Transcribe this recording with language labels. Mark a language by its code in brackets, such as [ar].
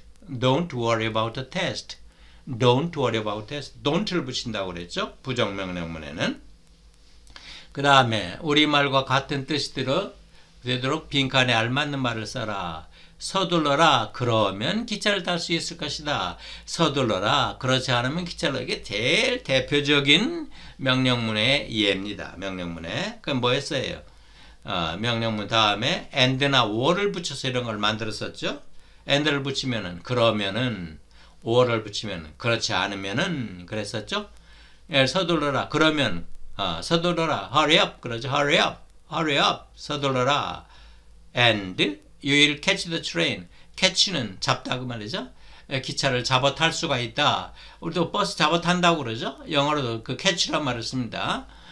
[en] Don't worry about the test. Don't worry about test. [ko] Don't를 붙인다고 그랬죠. 부정명령문에는. 그 다음에 우리말과 같은 뜻이 되도록 빈칸에 알맞는 말을 써라. 서둘러라. 그러면 기차를 탈 수 있을 것이다. 서둘러라. 그렇지 않으면 기차를. 이게 제일 대표적인 명령문의 예입니다. 명령문에. 그럼 뭐 했어요? 명령문 다음에 and나 or을 붙여서 이런 걸 만들었었죠. and를 붙이면은 그러면은 or을 붙이면 그렇지 않으면은 그랬었죠. 예, 서둘러라. 그러면 서둘러라. [en] hurry up. [ko] 그러죠. hurry up. hurry up. 서둘러라. [en] and you will catch the train. [ko] catch는 잡다 그 말이죠. 기차를 잡아 탈 수가 있다. 우리도 버스 잡아 탄다고 그러죠. 영어로도 그 catch란 말을 씁니다.